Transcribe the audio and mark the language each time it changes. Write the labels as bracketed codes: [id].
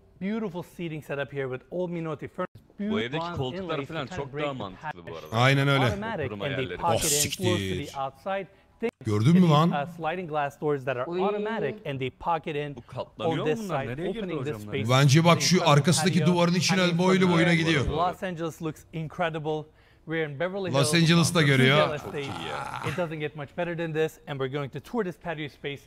[en] Beautiful seating setup here with old Minotti furniture. [tr] Bu evdeki koltuklar falan çok daha mantıklı bu arada. Aynen öyle. Oh siktir. Gördün mü lan? [en] Sliding glass doors that are automatic and they pocket in. [tr] Bu katlanıyor mu bunlar? Nereye girdi hocam? Bence bak şu arkasındaki duvarın içine boylu boyuna gidiyor. [en] Los Angeles looks incredible. We're in Beverly Hills. [tr] Los Angeles'ta görüyor. [en] It doesn't get much better than this and we're going to tour this patio space